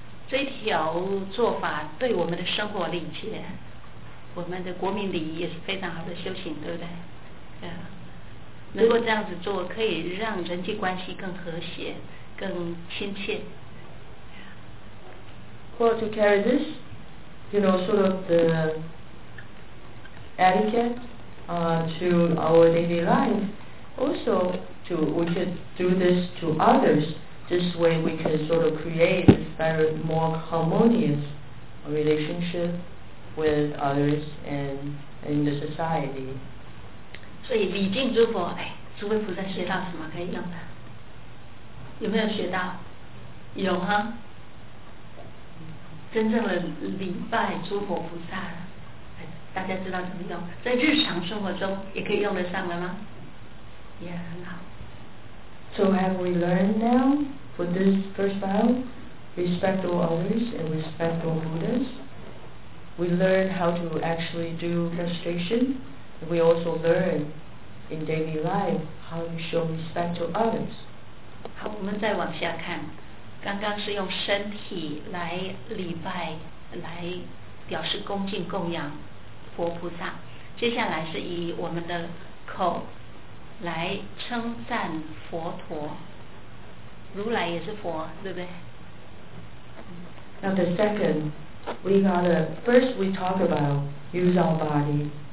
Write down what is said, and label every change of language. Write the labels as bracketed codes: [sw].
[zh] 这条做法对我们的生活礼节，我们的国民礼仪也是非常好的修行，对不对？ Yeah. 能够这样子做，可以让人际关系更和谐、更亲切。 [en] Well, to carry this, you know, sort of the etiquette, to our daily life. Also, we could do this to others. This way, we can sort of create a very more harmonious relationship with others and in the society. [zh] 所以礼敬诸佛，哎，诸位菩萨学到什么可以用的？有没有学到？有哈，真正的礼拜诸佛菩萨，哎，大家知道怎么用？在日常生活中也可以用得上了吗？也很好。 [en] So have we learned now for this first vow, respect to others and respect to Buddhas? We learned how to actually do prostration. We also learn in daily life how you show respect to others. [zh] 好，我们再往下看。刚刚是用身体来礼拜，来表示恭敬供养佛菩萨。接下来是以我们的口来称赞佛陀。如来也是佛，对不对？ [en] Now the second, we gotta, first we talk about use our body.